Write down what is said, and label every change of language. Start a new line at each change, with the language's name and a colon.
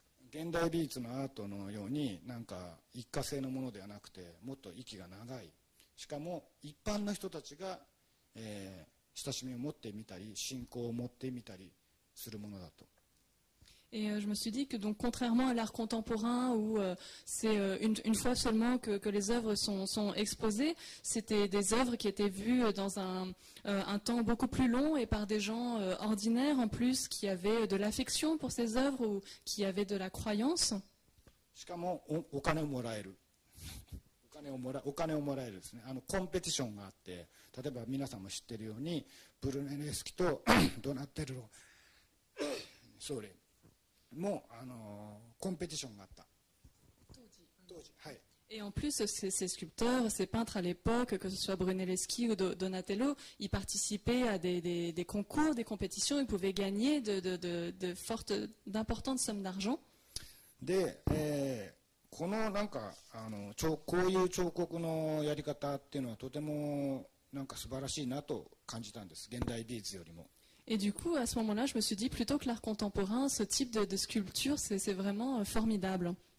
Japanese: 現代美術のアートのようになんか一過性のものではなくてもっと息が長いしかも一般の人たちが、親しみを持ってみたり信仰を持ってみたりするものだと。
French: Et je me suis dit que donc contrairement à l'art contemporain où c'est une fois seulement que les œuvres sont exposées, c'était des œuvres qui étaient vues dans un temps beaucoup plus long et par des gens ordinaires en plus qui avaient de l'affection pour ces œuvres ou qui avaient de la croyance.
Japanese: しかもお金をもらえる。お金をもらえるですね。あのコンペティションがあって、例えば皆さんも知ってるようにブルネレスキとドナッテルロ。
English: Sorry.
Japanese: もあのコンペティションがあった。当時、はい。
French: Et en plus, ces sculpteurs, ces peintres à l'époque, que ce soit Brunelleschi ou Donatello, ils participaient à des concours, des compétitions, ils pouvaient gagner de fortes, d'importantes sommes d'argent.
Japanese: で、このなんかあのこういう彫刻のやり方っていうのはとてもなんか素晴らしいなと感じたんです。現代美術よりも。
French: Et du coup, à ce moment-là, je me suis dit, plutôt que l'art contemporain, ce type de sculpture, c'est vraiment formidable.